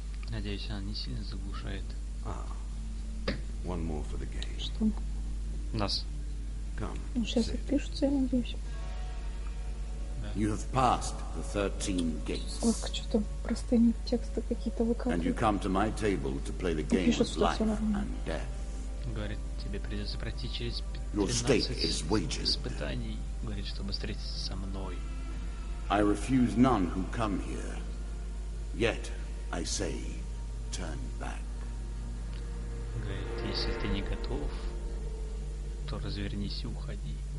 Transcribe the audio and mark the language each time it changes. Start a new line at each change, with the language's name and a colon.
Russian: Надеюсь, она не сильно заглушает.
English: One more for the game.
Russian: Что? Нас.
English: Come.
Russian: Ну, сейчас отпишутся, я надеюсь.
English: Да. You have passed the 13 gates.
Russian: Ох, что-то простыни текста какие-то выкатывают.
English: And you come to my table to play the game of life and death.
Russian: Говорит, тебе придется пройти через 13 испытаний. Говорит, чтобы встретиться со мной.
English: I refuse none who come here. Yet I say, turn back.
Russian: Говорит, если ты не готов, то развернись и уходи.